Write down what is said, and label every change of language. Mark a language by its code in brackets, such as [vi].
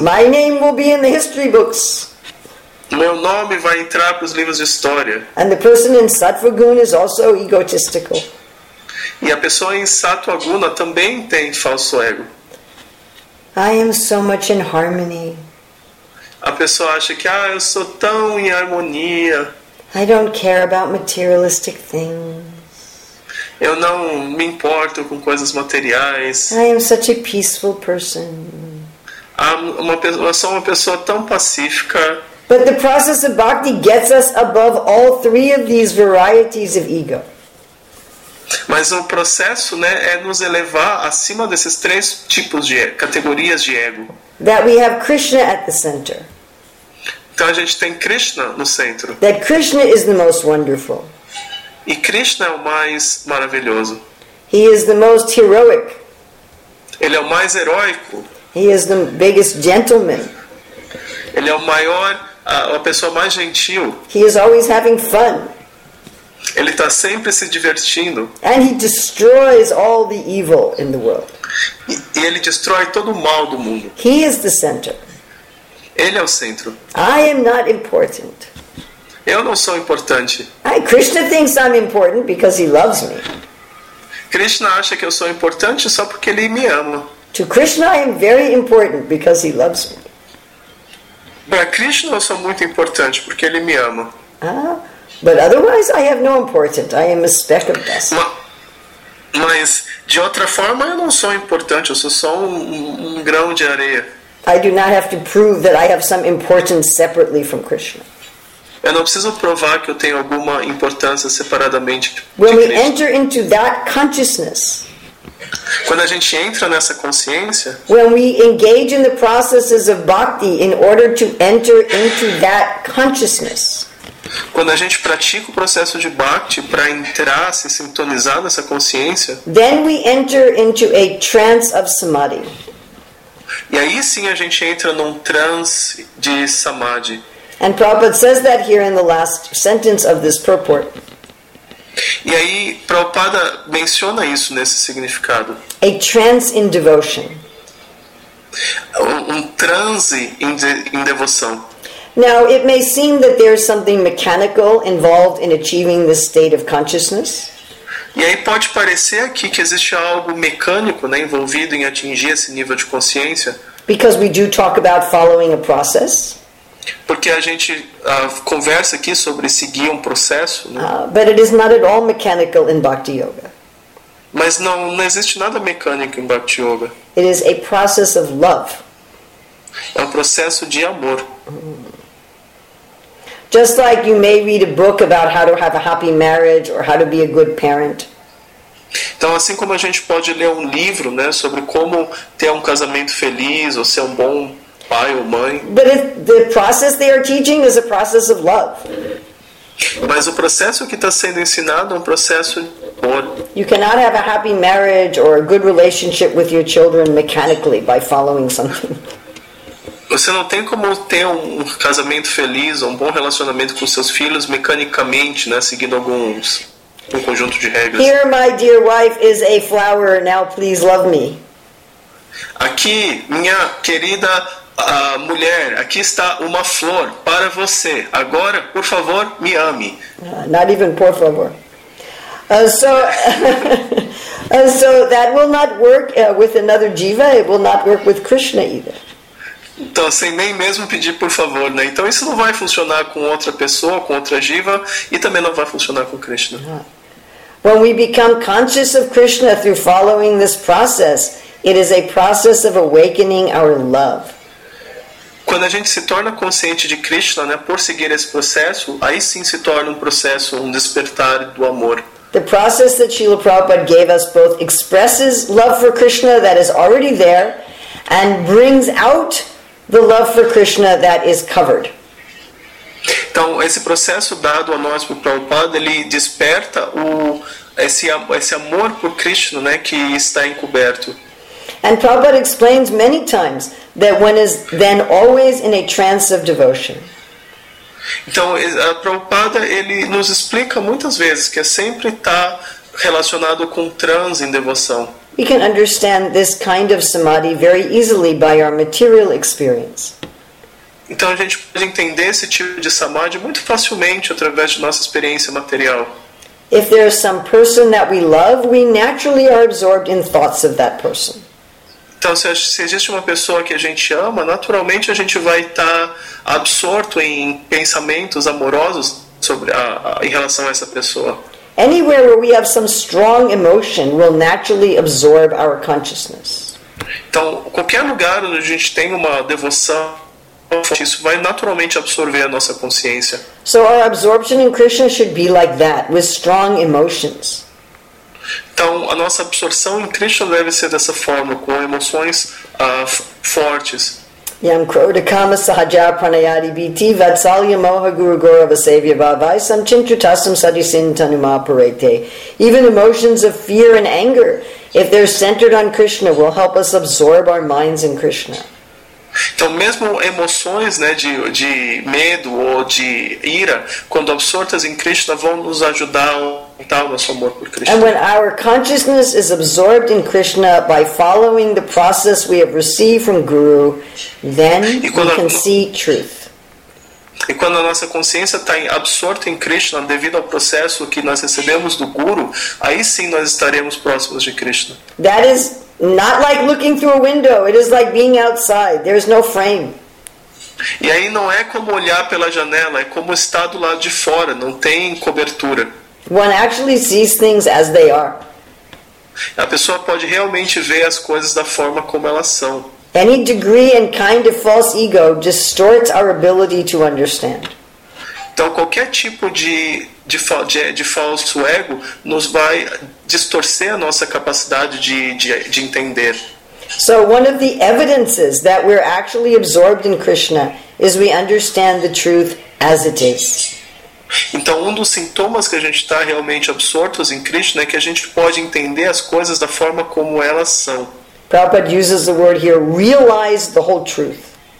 [en] My name will be in the history books. [pt] Meu nome vai entrar para os livros de história. [en] And the person in Sattvaguna is also egotistical. [pt] E a pessoa em Sattvaguna também tem falso ego. [en] I am so much in harmony. [pt] A pessoa acha que eu sou tão em harmonia. [en] I don't care about materialistic things. [pt] Eu não me importo com coisas materiais. [en] I am such a peaceful person. [pt] Eu sou uma pessoa tão pacífica. [en] But the process of bhakti gets us above all three of these varieties of ego. [pt] Mas o processo, né, é nos elevar acima desses três tipos de categorias de ego. [en] That we have Krishna at the center. [pt] Então a gente tem Krishna no centro. [en] That Krishna is the most wonderful. [pt] E Krishna é o mais maravilhoso. [en] He is the most heroic. [pt] Ele é o mais heróico. [en] He is the biggest gentleman. [pt] Ele é o maior, a pessoa mais gentil. [en] He is always having fun. [pt] Ele está sempre se divertindo. [en] And he destroys all the evil in the world. [pt] E ele destrói todo o mal do mundo. [en] He is the center. [pt] Ele é o centro. [en] I am not important. [pt] Eu não sou importante. [en] Krishna thinks I'm important because he loves me. [pt] Krishna acha que eu sou importante só porque ele me ama. [en] To Krishna, I am very important because he loves me. [pt] Para Krishna, eu sou muito importante porque ele me ama. [en] But otherwise, I have no importance. I am a speck of dust. [pt] Mas de outra forma, eu não sou importante. Eu sou só um grão de areia. [en] I do not have to prove that I have some importance separately from Krishna. [pt] Eu não preciso provar que eu tenho alguma importância separadamente de Krishna. [en] When we enter into that consciousness, [pt] quando a gente entra nessa consciência, [en] when we engage in the processes of bhakti in order to enter into that consciousness, [pt] quando a gente pratica o processo de bhakti para entrar, se sintonizar nessa consciência, [en] then we enter into a trance of samadhi. [pt] E aí sim a gente entra num trance de samadhi. [en] And Prabhupada says that here in the last sentence of this purport. [pt] E aí Prabhupada menciona isso nesse significado. [en] A trance in devotion. [pt] Um transe em devoção. [en] Now, it may seem that there is something mechanical involved in achieving this state of consciousness. [pt] E aí pode parecer aqui que existe algo mecânico, né, envolvido em atingir esse nível de consciência. [en] Because we do talk about following a process. [pt] Porque a gente conversa aqui sobre seguir um processo, né? [en] But it is not at all mechanical in Bhakti Yoga. [pt] Mas não existe nada mecânico em Bhakti Yoga. [en] It is a process of love. [pt] É um processo de amor. [en] Just like you may read a book about how to have a happy marriage or how to be a good parent. [pt] Então, assim como a gente pode ler um livro, né, sobre como ter um casamento feliz ou ser um bom pai ou mãe. [en] But the process they are teaching is a process of love. [pt] Mas o processo que está sendo ensinado é um processo de amor. [en] You cannot have a happy marriage or a good relationship with your children mechanically by following something. [pt] Você não tem como ter um casamento feliz ou um bom relacionamento com seus filhos mecanicamente, né, seguindo um conjunto de regras. [en] Here, my dear wife is a flower. Now, please love me. [pt] Aqui, minha querida mulher, aqui está uma flor para você. Agora, por favor, me ame. [en] Not even [pt] por favor. [en] So that will not work with another jiva. It will not work with Krishna either. [pt] Então, sem nem mesmo pedir por favor, né? Então, isso não vai funcionar com outra pessoa, com outra jiva, e também não vai funcionar com Krishna. [en] When we become conscious of Krishna through following this process, it is a process of awakening our love. [pt] Quando a gente se torna consciente de Krishna, né, por seguir esse processo, aí sim se torna um processo, um despertar do amor. [en] The process that Srila Prabhupada gave us both expresses love for Krishna that is already there and brings out the love for Krishna that is covered. [pt] Então, esse processo dado a nós por Prabhupada, ele desperta esse amor por Krishna, né, que está encoberto. [en] And Prabhupada explains many times that one is then always in a trance of devotion. [pt] Então, a Prabhupada, ele nos explica muitas vezes que sempre está relacionado com transe em devoção. [en] We can understand this kind of samadhi very easily by our material experience. [pt] Então, a gente pode entender esse tipo de samadhi muito facilmente através de nossa experiência material. [en] If there is some person that we love, we naturally are absorbed in thoughts of that person. [pt] Então, se existe uma pessoa que a gente ama, naturalmente a gente vai estar absorto em pensamentos amorosos em relação a essa pessoa. [en] Anywhere where we have some strong emotion will naturally absorb our consciousness. [pt] Então, qualquer lugar onde a gente tem uma devoção, isso vai naturalmente absorver a nossa consciência. [en] So our absorption in Krishna should be like that, with strong emotions. [pt] Então, a nossa absorção em Krishna deve ser dessa forma, com emoções fortes. [sa] Yam krodhakama sahaja pranayati bhiti vatsalya moha guru gaurava sevya bhavaisam chintratasam sadisin tanuma parete. [en] Even emotions of fear and anger, if they're centered on Krishna, will help us absorb our minds in Krishna. [pt] Então, mesmo emoções, né, de medo ou de ira, quando absortas em Krishna, vão nos ajudar a aumentar o nosso amor por Krishna. [en] And when our consciousness is absorbed in Krishna by following the process we have received from Guru, then we can see truth. [pt] E quando a nossa consciência está absorta em Krishna, devido ao processo que nós recebemos do Guru, aí sim nós estaremos próximos de Krishna. [en] That is not like looking through a window. It is like being outside. There is no frame. [pt] E aí não é como olhar pela janela, é como estar do lado de fora, não tem cobertura. [en] One actually sees things as they are. [pt] A pessoa pode realmente ver as coisas da forma como elas são. [en] Any degree and kind of false ego distorts our ability to understand. [pt] Então qualquer tipo de falso ego nos vai distorcer a nossa capacidade de entender. [en] So one of the evidences that we're actually absorbed in Krishna is we understand the truth as it is. [pt] Então um dos sintomas que a gente está realmente absortos em Krishna é que a gente pode entender as coisas da forma como elas são. [en] Prabhupada uses the word here, realize the whole truth.